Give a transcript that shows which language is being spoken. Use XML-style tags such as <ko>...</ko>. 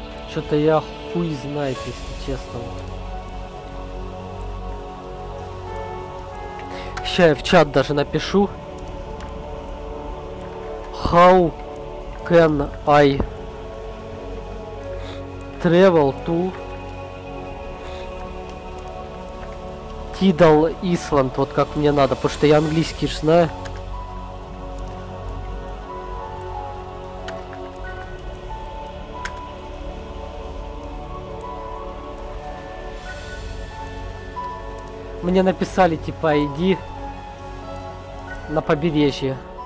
<ru>Что-то я хуй знает, если честно. Сейчас я в чат даже напишу.</ru> <en>How can I travel to Tidal Island?</en> <ru>Вот как мне надо, потому что я английский ж знаю. Мне написали, типа, иди на побережье.</ru>